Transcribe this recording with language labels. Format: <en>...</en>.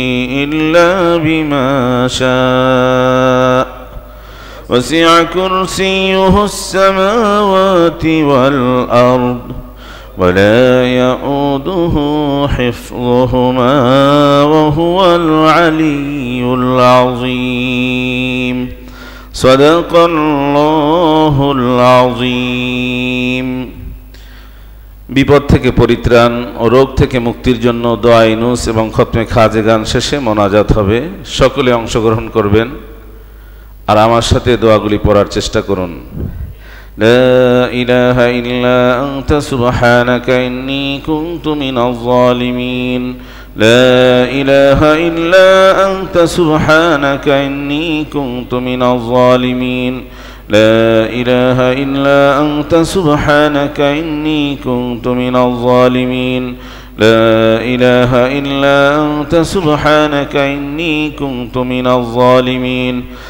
<ar>إلا بما شاء وسع كرسيه السماوات والأرض ولا يؤوده حفظهما وهو العلي العظيم صدق الله العظيم</ar> <bn>বিপদ থেকে পরিত্রাণ ও রোগ থেকে মুক্তির জন্য দোয়া ইউনূস এবং খতমে খাজে গান শেষে মোনাজাত হবে সকলে অংশগ্রহণ করবেন আর আমার সাথে দোয়াগুলি পড়ার চেষ্টা করুন</bn> <ar>لا إله إلا أنت سبحانك إني كنت من الظالمين لا إله إلا أنت سبحانك إني كنت من الظالمين لا إله إلا أنت سبحانك إني كنت من الظالمين لا إله إلا أنت سبحانك إني كنت من الظالمين</ar>